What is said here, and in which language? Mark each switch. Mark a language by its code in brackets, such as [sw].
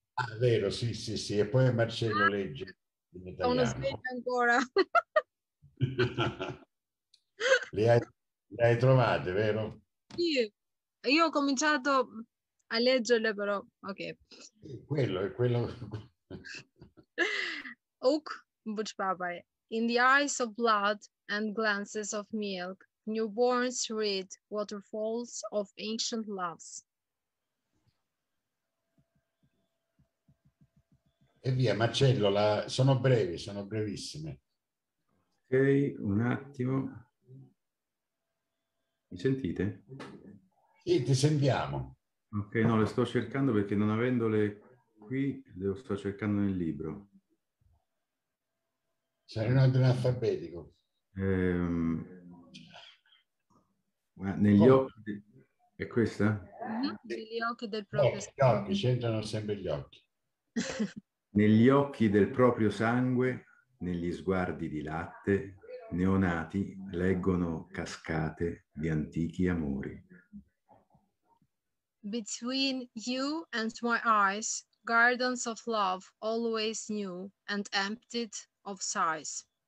[it] Ah, vero, sì. E poi Marcello legge in italiano. Sono sveglio ancora. le hai trovate, vero? Sì, io ho cominciato a leggerle, però, ok. Quello è quello. Uk buch papai. [en] In the eyes of blood and glances of milk, newborns read waterfalls of ancient loves. [it] E via, Marcello, sono brevi, sono brevissime. Ok, un attimo. Mi sentite? Sì, ti sentiamo. Ok, no, le sto cercando perché non avendole qui, le sto cercando nel libro. Sarei un altro analfabetico. Negli occhi è questa? Negli occhi del proprio sangue. Gli occhi c'entrano sempre gli occhi. Negli occhi del proprio sangue, negli sguardi di latte, neonati leggono cascate di antichi amori. [en] Between you and my eyes, gardens of love always new and emptied of sighs.